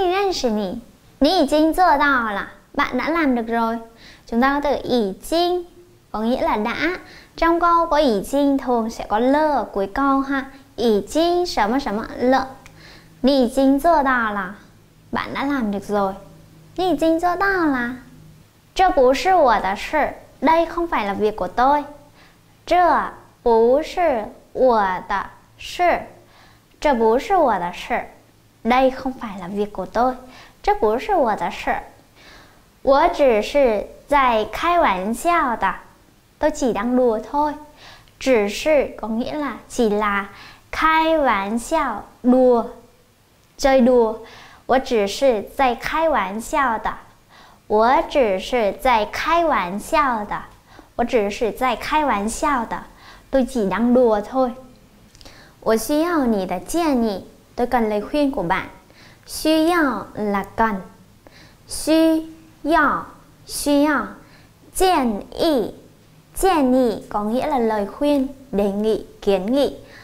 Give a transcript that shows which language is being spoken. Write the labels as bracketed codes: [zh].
[zh] 很高兴认识你。很高兴认识你。你已经做到了, [vi] bạn đã làm được rồi. Chúng ta có từ 已经, có nghĩa là đã. Trong câu có 已经 thường sẽ có lơ ở cuối câu ha. [zh] 已经 什么 什么 什么 lơ. 你已经做到了, [vi] bạn đã làm được rồi. [zh] 你已经做到了。这不是我的事, [vi] đây không phải là việc của tôi. [zh] 这不是我的事。这不是我的事, [vi] đây không phải là việc của tôi. [zh] 这不是我的事, 我只是在开玩笑的, [vi] tôi chỉ đang đùa thôi. 只是 có nghĩa là chỉ là, 开玩笑, đùa, chơi đùa. [zh] 我只是在开玩笑的, 我只是在开玩笑的, 我只是在开玩笑的, [vi] tôi chỉ đang đùa thôi. [zh] 我需要你的建议, [vi] tôi cần lời khuyên của bạn. [zh] 需要 [vi] là cần. [zh] 需要, 需要. [vi] 建议, 建议 có nghĩa là lời khuyên, đề nghị, kiến nghị.